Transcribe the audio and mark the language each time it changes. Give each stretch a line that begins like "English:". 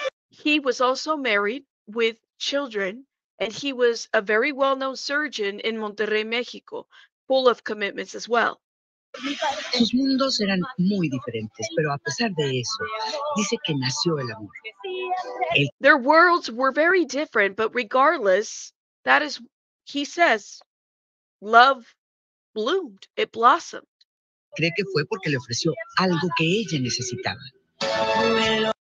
English: He was also married with children, and he was a very well-known surgeon in Monterrey, Mexico, full of commitments as well.
Spanish: Sus mundos eran muy diferentes, pero a pesar de eso, dice que nació el amor.
English: Their worlds were very different, but regardless, that is, he says, love bloomed, it blossomed.
Spanish: Cree que fue porque le ofreció algo que ella necesitaba.